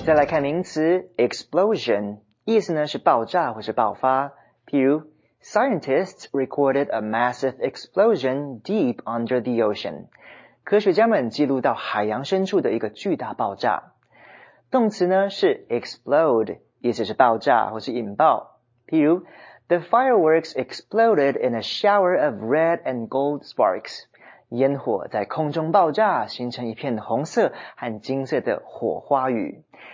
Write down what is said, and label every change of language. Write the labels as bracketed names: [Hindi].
[Chinese] Explosion, 意思呢是爆炸或是爆发。譬如, [English] scientists recorded a massive explosion deep under the ocean. [Chinese] 科学家们记录到海洋深处的一个巨大爆炸。动词呢是explode, 意思是爆炸或是引爆。譬如, [English] the fireworks exploded in a shower of red and gold sparks. [Chinese] 烟火在空中爆炸, 形成一片红色和金色的火花雨。